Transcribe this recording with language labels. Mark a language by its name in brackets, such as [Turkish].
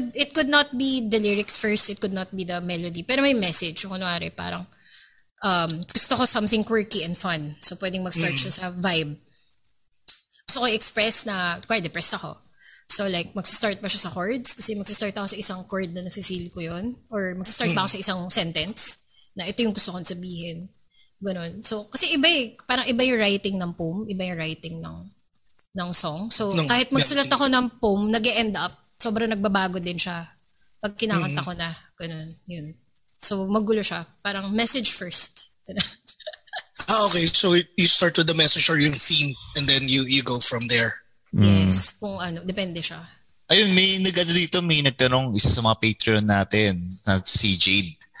[English] it could not be the lyrics first, it could not be the melody, [Filipino] pero may message. Kunwari, parang, gusto ko [English] something quirky and fun. [Filipino] So, pwedeng mag-start siya sa vibe. Gusto ko i-express na, kaya depressed ako. So, like, mag-start pa siya sa chords kasi mag-start ako sa isang chord na nafe-feel ko yon. Or mag-start pa ako sa isang sentence na ito yung gusto kong sabihin. Ganun. So, kasi iba eh. Parang iba yung writing ng poem, iba yung writing ng song. So, kahit magsulat ako ng poem, nag-e-end up, sobrang nagbabago din siya pag kinakanta ko na. Ganun. Yun. So, magulo siya. Parang message first. okay. [English] So, you start with the message or yung theme and then you go from there. [Filipino] Yes. Kung ano. Depende siya. Ayun, may nagtanong isa sa mga Patreon natin na si Jade.